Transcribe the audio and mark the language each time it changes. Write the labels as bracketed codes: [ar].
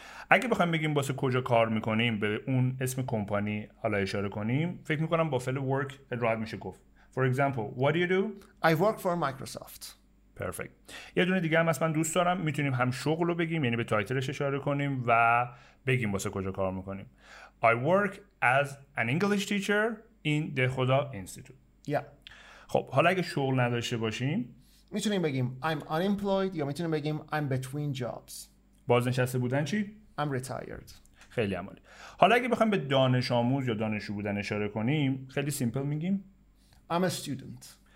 [fa] اگه بخوایم بگیم واسه کجا کار میکنیم به اون اسم کمپانی حالا اشاره کنیم، فکر میکنم با فعل work راحت میشه گفت. [en] For example, What do you do؟ I work for Microsoft. Perfect. [fa] یه دونه دیگه هم اصلا دوست دارم، میتونیم هم شغل رو بگیم یعنی به تایتلش اشاره کنیم و بگیم واسه کجا کار میکنیم. [en] I work as an English teacher in the خدا institute. Yeah. [fa] خب حالا اگه شغل نداشته باشیم میتونیم بگیم [en] I'm unemployed [fa] یا میتونیم بگیم [en] I'm between jobs. [fa] بازنشسته بودن چی؟ [en] I'm retired. [fa] خیلی عالی. حالا اگه بخوایم به دانش آموز یا دانشجو بودن اشاره کنیم خیلی سیمپل میگیم [en] I'm a student.